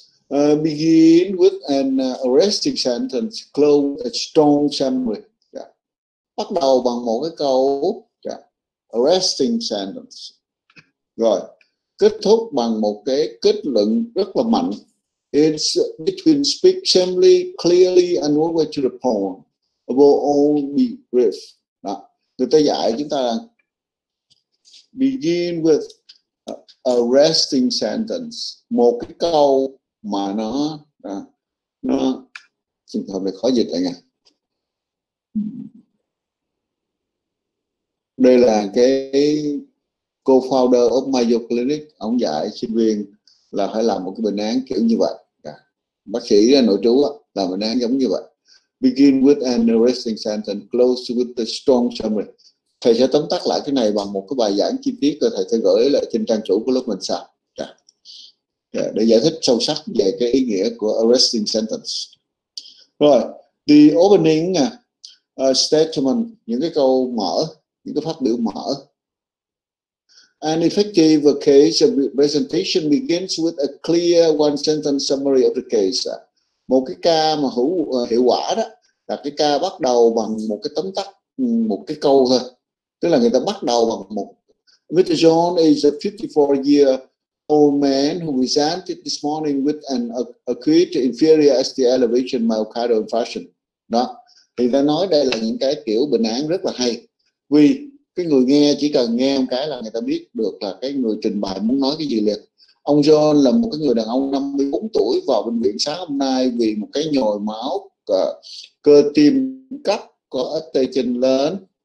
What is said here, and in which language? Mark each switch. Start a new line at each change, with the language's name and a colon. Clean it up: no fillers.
English: Begin with an arresting sentence, close a strong summary. Yeah.
Vietnamese: Bắt đầu bằng một cái câu arresting sentence. Rồi, kết thúc bằng một cái kết luận rất là mạnh.
English: It's between speak simply, clearly and all way to the point. Above all, be brief. Đó.
Vietnamese: Người ta dạy chúng ta là
English: begin with arresting sentence.
Vietnamese: Một cái câu mà nó xin thầm này khó dịch lại nha. Đây là cái co-founder of Mayo Clinic, ông dạy sinh viên là phải làm một cái bệnh án kiểu như vậy. Bác sĩ nội trú làm bệnh án giống như vậy.
English: Begin with an arresting sentence, close with a strong summary.
Vietnamese: Thầy sẽ tóm tắt lại cái này bằng một cái bài giảng chi tiết rồi thầy sẽ gửi lại trên trang chủ của lớp mình sau. Để giải thích sâu sắc về cái ý nghĩa của arresting sentence. Rồi,
English: the opening statement,
Vietnamese: những cái câu mở, những cái phát biểu mở.
English: An effective case presentation begins with a clear one sentence summary of the case.
Vietnamese: Một cái ca mà hiệu quả đó là cái ca bắt đầu bằng một cái tóm tắt, một cái câu thôi. Tức là người ta bắt đầu bằng một.
English: Mr. John is a 54-year-old man who presented this morning with an acute inferior ST elevation myocardial infarction.
Vietnamese: Đó. Thì ta nói đây là những cái kiểu bệnh án rất là hay. Vì cái người nghe chỉ cần nghe một cái là người ta biết được là cái người trình bày muốn nói cái gì liền. Ông John là một cái người đàn ông 54 tuổi vào bệnh viện sáng hôm nay vì một cái nhồi máu cơ tim cấp có ST trình lên.